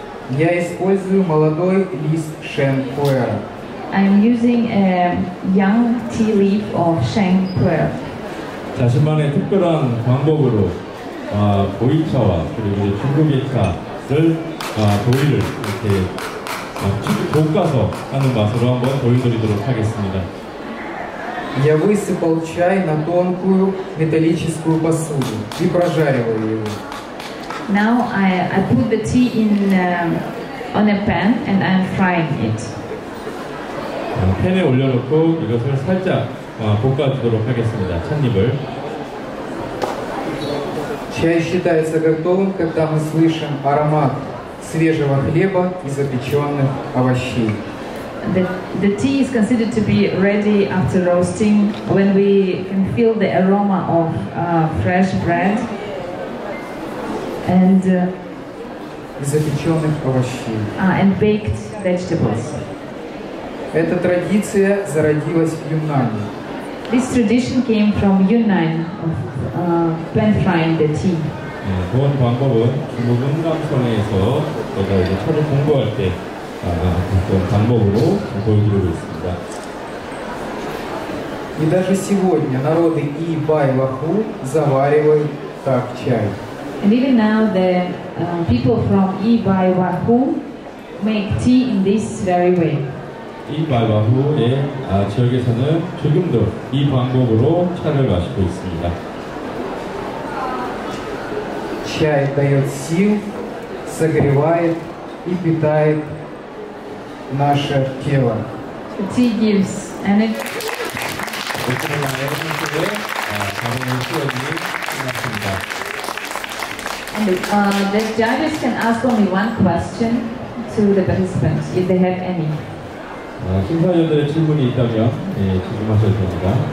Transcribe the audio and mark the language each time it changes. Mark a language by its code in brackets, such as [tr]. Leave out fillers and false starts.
[ru] Я использую молодой лист Шэн Пуэр. [en] I'm using a young tea leaf of Шэн Пуэр. [ko] 자신만의 특별한 방법으로 보이차와 그리고 중국의차를 도일을 이렇게 볶아서 하는 맛으로 한번 보여드리도록 하겠습니다. [ru] Я высыпал чай на тонкую металлическую посуду и прожариваю его. [en] Now I put the tea on a pan and I'm frying it. [ko] 팬에 올려놓고 이것을 살짝 볶아주도록 하겠습니다. 찻잎을. [ru] чай считается готовым, когда мы слышим аромат свежего хлеба и запеченных овощей. [en] The tea is considered to be ready after roasting when we can feel the aroma of fresh bread and [ru] запеченных овощей. [en] And baked vegetables. [ru] Эта традиция зародилась в Юнане. [en] This tradition came from Yunnan of plant frying the tea. [ko] 그 방법은 중국 흥강성에서 제가 이제 차를 공부할 때 그런 방법으로 보여드리고 있습니다. [ru] И даже сегодня народы И, Ба и Ваху заваривают так чай. [en] And even now the people from И, Ба и Ваху make tea in this very way. [ko] 이 발바후의 지역에서는 지금도 이 방법으로 차를 마시고 있습니다. [ru] 차이 дает сил, согревает и питает наше тело. [en] Tea gives energy. [ko] 오늘 여러분들의 방문 시간이 끝났습니다. [en] And the judges can ask only one question to the participants if they have any. [ko] 심사위원들의 질문이 있다면 예, 질문하셔도 됩니다.